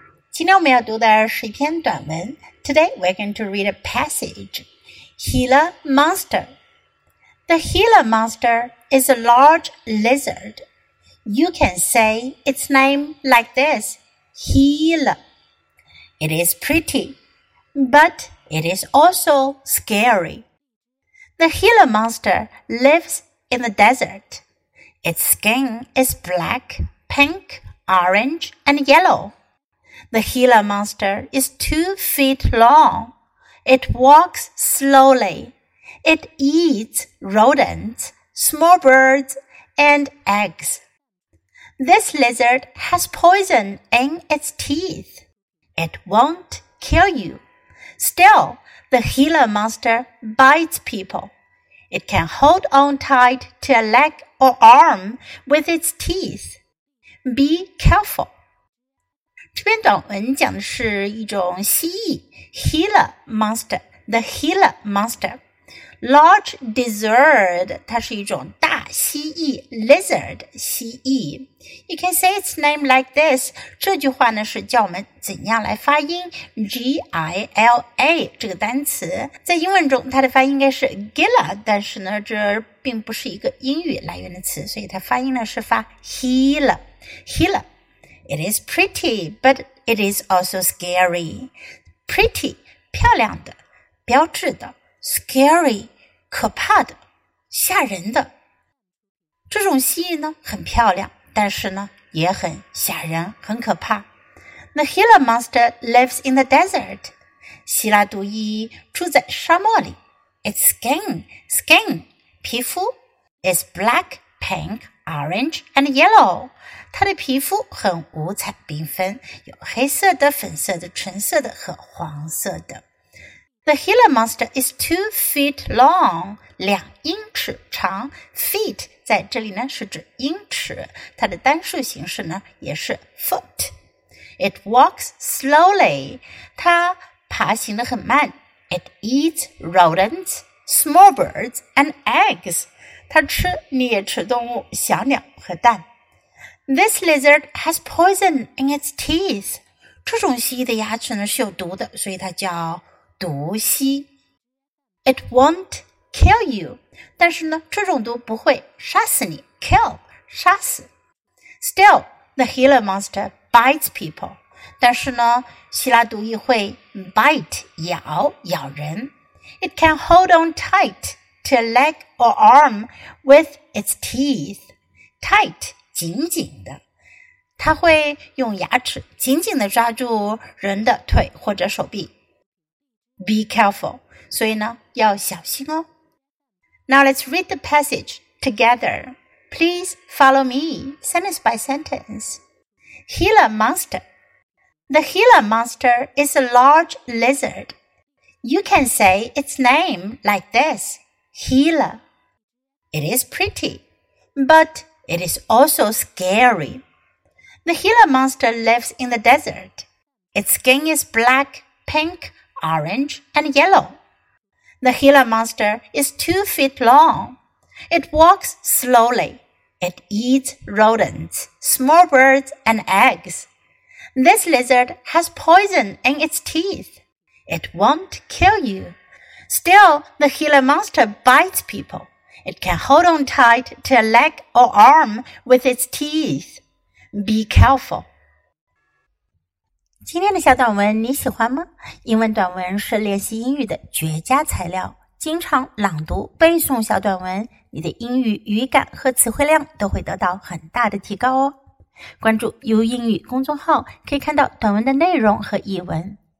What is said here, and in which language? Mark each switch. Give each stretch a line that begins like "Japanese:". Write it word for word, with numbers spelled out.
Chinese: 今天我们要读的是一篇短文。
English: Today we're going to read a passage. Gila monster. The Gila monster is a large lizard. You can say its name like this, Gila. It is pretty, but it is also scary. The Gila monster lives in the desert. Its skin is black, pink,orange, and yellow. The Gila monster is two feet long. It walks slowly. It eats rodents, small birds, and eggs. This lizard has poison in its teeth. It won't kill you. Still, the Gila monster bites people. It can hold on tight to a leg or arm with its teeth. Be careful.
Chinese: 这篇短文讲的是一种蜥蜴 Gila monster, the Gila monster.
English: Large lizard,
Chinese: 它是一种大蜥蜴 lizard, 蜥蜴。
English: You can say its name like this.
Chinese: 这句话呢是教我们怎样来发音 G I L A 这个单词。在英文中它的发音应该是 Gila, 但是呢这并不是一个英语来源的词，所以它发音呢是发 Gila。
English: Gila. It is pretty, but it is also scary.
Chinese: Pretty, 漂亮的，标致的 scary, 可怕的，吓人的。这种蜥蜴呢，很漂亮，但是呢，也很吓人，很可怕。
English: The Gila monster lives in the desert.
Chinese: 希腊毒蜥住在沙漠里。
English: Its skin, skin, 皮肤 is black, pink,Orange and yellow.
Chinese: 它的皮肤很五彩缤纷，有黑色的、粉色的、橙色的和黄色的。
English: The Gila monster is two feet long.
Chinese: 两英尺长。 Feet 在这里呢是指英尺，它的单数形式呢也是 foot.
English: It walks slowly.
Chinese: 它爬行得很慢。
English: It eats rodents, small birds, and eggs.
Chinese: 它吃啮齿动物、小鸟和蛋。
English: This lizard has poison in its teeth.
Chinese: 这种蜥蜴的牙齿呢是有毒的，所以它叫毒蜥。
English: It won't kill you.
Chinese: 但是呢，这种毒不会杀死你。 Kill, 杀死。
English: Still, the Gila monster bites people.
Chinese: 但是呢，希腊毒液会 bite, 咬，咬人。
English: It can hold on tight. To a leg or arm with its teeth.
Chinese: Tight, 紧紧的。它会用牙齿紧紧的抓住人的腿或者手臂。
English: Be careful.
Chinese: 所以呢，要小心哦。
English: Now let's read the passage together. Please follow me, sentence by sentence. Gila monster. The Gila monster is a large lizard. You can say its name like this. Gila. It is pretty, but it is also scary. The Gila monster lives in the desert. Its skin is black, pink, orange, and yellow. The Gila monster is two feet long. It walks slowly. It eats rodents, small birds, and eggs. This lizard has poison in its teeth. It won't kill you. Still, the Gila monster bites people. It can hold on tight to a leg or arm with its teeth. Be careful.
Chinese: 今天的小短文你喜欢吗？英文短文是练习英语的绝佳材料。经常朗读背诵小短文，你的英语语感和词汇量都会得到很大的提高哦。关注 U 英语公众号，可以看到短文的内容和译文。